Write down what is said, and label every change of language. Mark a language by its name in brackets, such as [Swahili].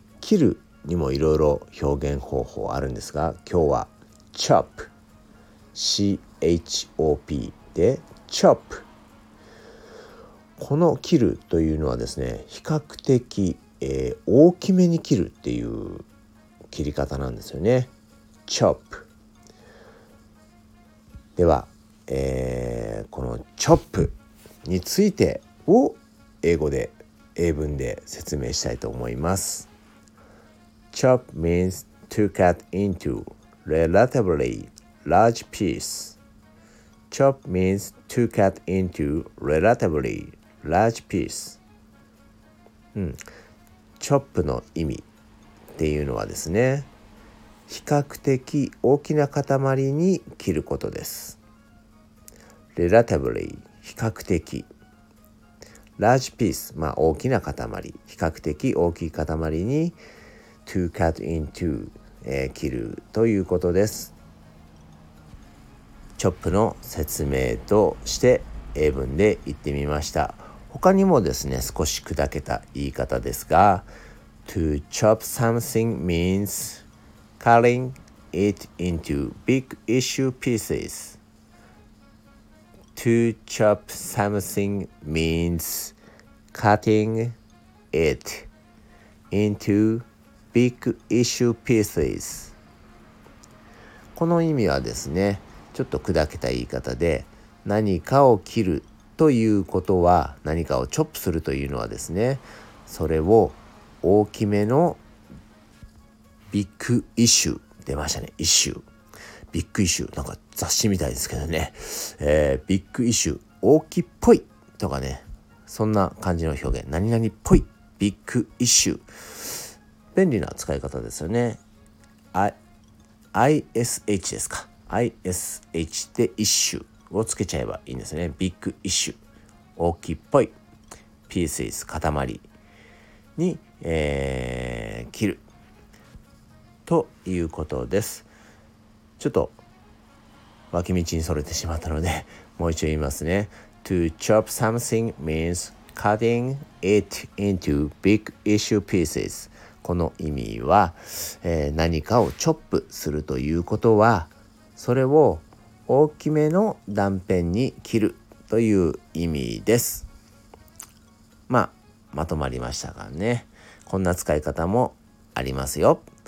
[Japanese] 切るにもいろいろ表現方法あるんですが、今日は chop chop で chop、 この切るというのはですね、比較的、大きめに切るっていう切り方なんですよね。 chop では、この chop についてを英語で英文で説明したいと思います。 [English] Chop means to cut into relatively large piece. Chop means to cut into relatively large piece. [Japanese] Chop の意味っていうのはですね、比較的大きな塊に切ることです。 Relatively 比較的。Large piece まあ大きな塊、比較的大きい塊に to cut into、切るということです。チョップの説明として英文で言ってみました。他にもですね、少し砕けた言い方ですが、 [English] to chop something means cutting it into big issue pieces. to chop something means cutting it intoBig issue pieces。 [Japanese] この意味はですね、ちょっと砕けた言い方で、何かを切るということは、何かをチョップするというのはですね、それを大きめのビッグイシュー、出ましたね、イシュービッグイシュー、なんか雑誌みたいですけどね、ビッグイシュー、大きっぽいとかね、そんな感じの表現、何々っぽい、ビッグイシュー、便利な使い方ですよね。 ISH ですか、 ISH で一種をつけちゃえばいいんですね。ビッグイッシュ、大きっぽい、ピースイズ、塊に、切るということです。ちょっと脇道にそれてしまったので、もう一度言いますね。 [English] To chop something means cutting it into big issue pieces。 [Japanese] この意味は、何かをチョップするということは、それを大きめの断片に切るという意味です。まあ、まとまりましたかね。こんな使い方もありますよ。